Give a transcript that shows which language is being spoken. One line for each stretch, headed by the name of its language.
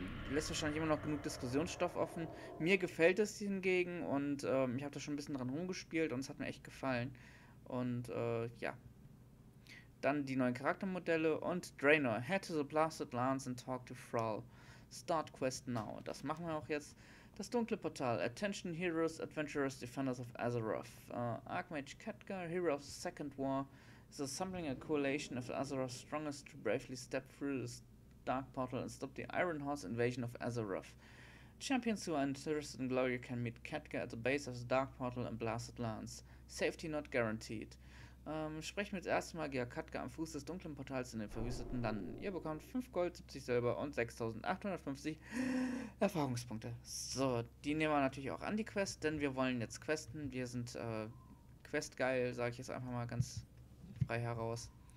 German: Lässt wahrscheinlich immer noch genug Diskussionsstoff offen. Mir gefällt es hingegen und ich habe da schon ein bisschen dran rumgespielt und es hat mir echt gefallen. Und ja. Dann die neuen Charaktermodelle und Draenor.
English: Head to the Blasted Lands and talk to Thrall. Start Quest now.
German: Das machen wir auch jetzt. Das dunkle Portal.
English: Attention Heroes, Adventurers, Defenders of Azeroth. Archmage Khadgar, Hero of the Second War, is assembling a coalition of Azeroth's strongest to bravely step through this dark portal and stop the Iron Horse invasion of Azeroth. Champions who are interested in glory can meet Khadgar at the base of the dark portal and Blasted Lands. Safety not guaranteed.
German: Sprechen wir jetzt erstmal Georg Khadgar am Fuß des dunklen Portals in den verwüsteten Landen. Ihr bekommt 5 Gold, 70 Silber und 6850 Erfahrungspunkte. So, die nehmen wir natürlich auch an, die Quest, denn wir wollen jetzt questen. Wir sind questgeil, sage ich jetzt einfach mal ganz frei heraus.